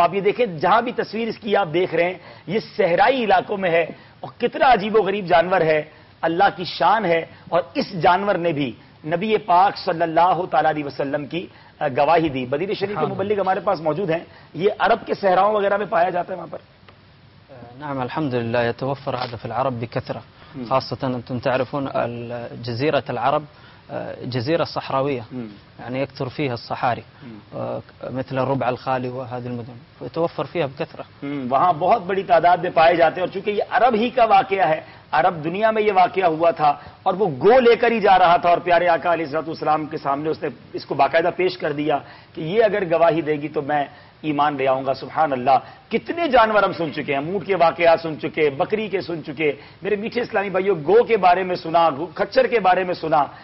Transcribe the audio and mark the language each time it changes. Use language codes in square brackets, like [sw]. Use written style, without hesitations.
[ur] آپ یہ دیکھیں جہاں بھی تصویر اس کی آپ دیکھ رہے ہیں, یہ صحرائی علاقوں میں ہے. اور کتنا عجیب و غریب جانور ہے, اللہ کی شان ہے. اور اس جانور نے بھی نبی پاک صلی اللہ تعالی علیہ وسلم کی گواہی دی. مدینہ شریف کے مبلغ ہمارے پاس موجود ہیں, یہ عرب کے صحراؤں وغیرہ میں پایا جاتا ہے وہاں پر. [ar] نعم الحمد للہ يتوفر هذا في العرب بكثرة, خاصة أنتم تعرفون جزيرة العرب جزيرة صحراوية, يعني يكثر فيها الصحاري مثل الربع الخالي وهذه المدن, يتوفر فيها بكثرة [ur] وہاں بہت بڑی تعداد میں پائے جاتے ہیں. اور چونکہ یہ عرب ہی کا واقعہ ہے, عرب دنیا میں یہ واقعہ ہوا تھا اور وہ گو لے کر ہی جا رہا تھا اور پیارے آقا علیہ الصلوۃ والسلام کے سامنے اس نے اس کو باقاعدہ پیش کر دیا کہ یہ اگر گواہی دے گی تو میں ایمان لے آؤں گا. سبحان اللہ, کتنے جانور ہم سن چکے ہیں, اونٹ کے واقعات سن چکے, بکری کے سن چکے, میرے میٹھے اسلامی بھائیوں گو کے بارے میں سنا, کچھر کے بارے میں سنا.